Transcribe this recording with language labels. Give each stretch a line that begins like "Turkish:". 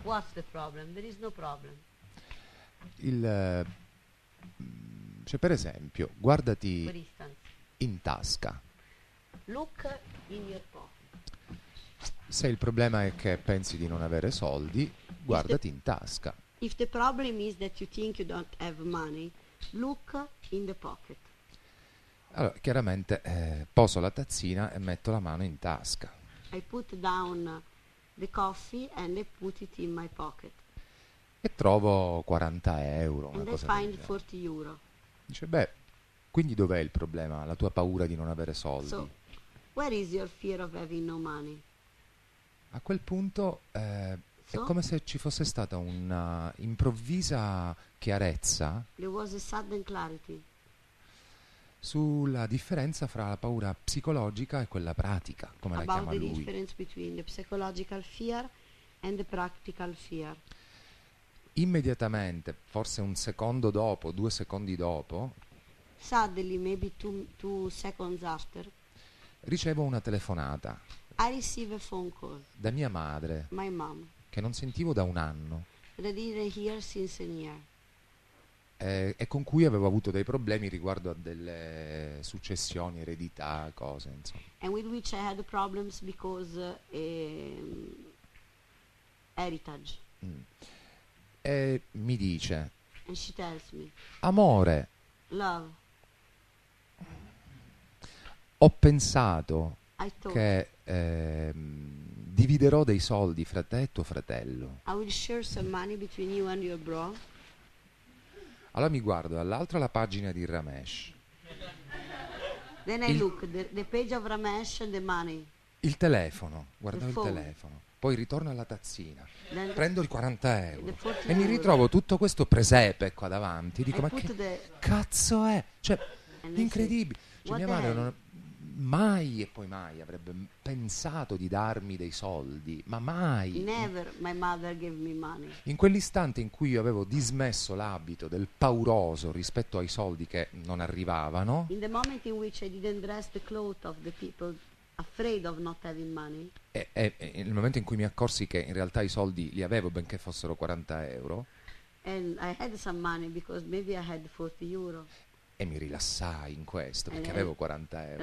English: What's the problem? There is no problem.
Italian: Cioè, per esempio, guardati in tasca.
English: Look in your pocket.
Italian: Se il problema è che pensi di non avere soldi, guardati in tasca.
English: If the problem is that you think you don't have money, look in the pocket.
Italian: Allora, chiaramente poso la tazzina e metto la mano in tasca.
English: I put down the coffee and I put it in my pocket.
Italian: E trovo 40 euro, una cosa
English: find 40 euro.
Italian: Dice, beh, quindi dov'è il problema? La tua paura di non avere soldi?
English: So, where is your fear of having no money?
Italian: A quel punto è come se ci fosse stata una improvvisa chiarezza.
English: There was a sudden clarity.
Italian: Sulla differenza fra la paura psicologica e quella pratica, come
English: about
Italian: la chiama
English: the
Italian: lui.
English: Difference between the psychological fear and the practical fear.
Italian: Immediatamente, forse un secondo dopo, 2 secondi dopo,
English: suddenly, maybe two seconds after,
Italian: ricevo una telefonata.
English: I receive a phone call
Italian: da mia madre,
English: my mom,
Italian: che non sentivo da un anno,
English: that I didn't hear since a year,
Italian: e con cui avevo avuto dei problemi riguardo a delle successioni, eredità, cose, insomma.
English: And with which I had problems because heritage.
Italian: E mi dice,
English: and she tells me,
Italian: amore,
English: love,
Italian: ho pensato che dividerò dei soldi fra te e tuo fratello.
English: I will share some money between you and your bro.
Italian: Allora mi guardo dall'altra la pagina di Ramesh.
English: Then I look the page of Ramesh and the money.
Italian: Il telefono, guardo il telefono. Poi ritorno alla tazzina, prendo il 40 euro e mi ritrovo tutto questo presepe qua davanti. Dico, ma che cazzo è? Cioè, incredibile. Cioè, mia madre non mai e poi mai avrebbe pensato di darmi dei soldi, ma mai.
English: Never my mother gave me money.
Italian: In quell'istante in cui io avevo dismesso l'abito del pauroso rispetto ai soldi che non arrivavano,
English: in the moment in which I didn't dress the clothes of the people afraid of not having money.
Italian: E nel momento in cui mi accorsi che in realtà i soldi li avevo benché fossero 40 euro.
English: And I had some money because maybe I had 40 euro.
Italian: E mi rilassai in questo perché avevo 40 euro.